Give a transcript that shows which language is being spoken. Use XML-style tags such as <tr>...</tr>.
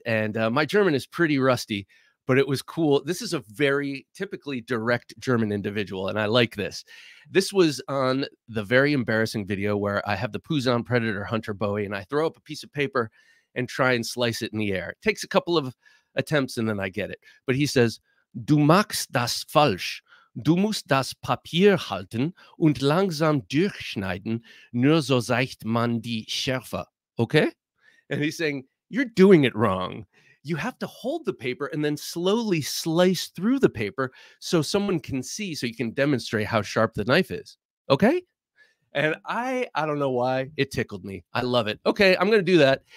<en>And my German is pretty rusty, but it was cool. This is a very typically direct German individual, and I like this. This was on the very embarrassing video where I have the Puzon Predator Hunter Bowie, and I throw up a piece of paper and try and slice it in the air. It takes a couple of attempts, and then I get it.</en> <de>But he says, "Du machst das falsch. Du musst das Papier halten und langsam durchschneiden. Nur so zeigt man die Schärfe."</de> <en>Okay? And he's saying, you're doing it wrong. You have to hold the paper and then slowly slice through the paper so someone can see, so you can demonstrate how sharp the knife is. Okay? And I don't know why, it tickled me. I love it. Okay, I'm going to do that.</en>